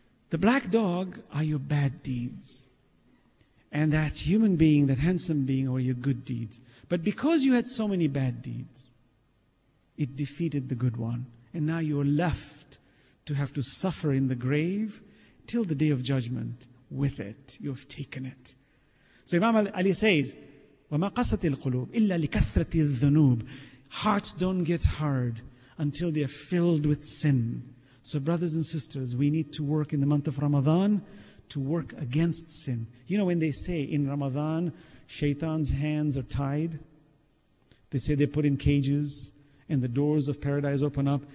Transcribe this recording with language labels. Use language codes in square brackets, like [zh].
[en] The black dog are your bad deeds. And that human being, that handsome being, are your good deeds. But because you had so many bad deeds, it defeated the good one. And now you're left to have to suffer in the grave till the day of judgment with it. You've taken it. So Imam Ali says, [ar] وَمَا قَسَتِ الْقُلُوبِ إِلَّا لِكَثْرَةِ الذُّنُوبِ. [en] Hearts don't get hard until they're filled with sin. So brothers and sisters, we need to work in the month of Ramadan to work against sin. You know, when they say in Ramadan, shaitan's hands are tied, they say they're put in cages and the doors of paradise open up.